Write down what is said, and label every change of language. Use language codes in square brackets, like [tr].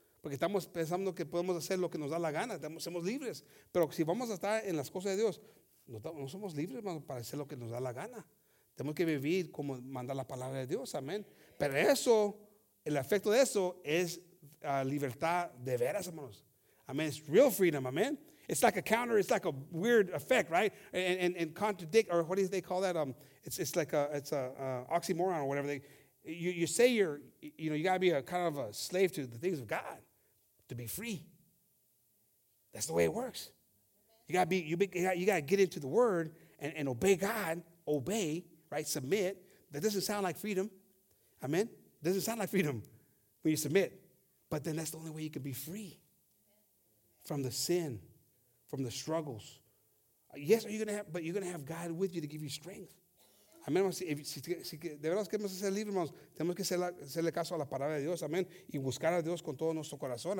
[es] Porque estamos pensando que podemos hacer lo que nos da la gana. Somos libres. Pero si vamos a estar en las cosas de Dios, no somos libres, hermanos, para hacer lo que nos da la gana. Tenemos que vivir como manda la palabra de Dios. Amén. Pero eso, el efecto de eso es libertad de veras, hermanos. [en] I mean, it's real freedom, amen? It's like a counter, it's like a weird effect, right? And contradict, or what do they call that? It's like an oxymoron or whatever. You say you got to be a kind of a slave to the things of God to be free. That's the way it works. You got to get into the word and obey God, obey, right? Submit. That doesn't sound like freedom, amen? It doesn't sound like freedom when you submit. But then that's the only way you can be free. From the sin, from the struggles. Yes, you're going to have God with you to give you strength. [es] Amén, hermanos. Si de verdad queremos ser libres, hermanos, tenemos que hacerle caso a la palabra de Dios. Amén. Y buscar a Dios con todo nuestro corazón.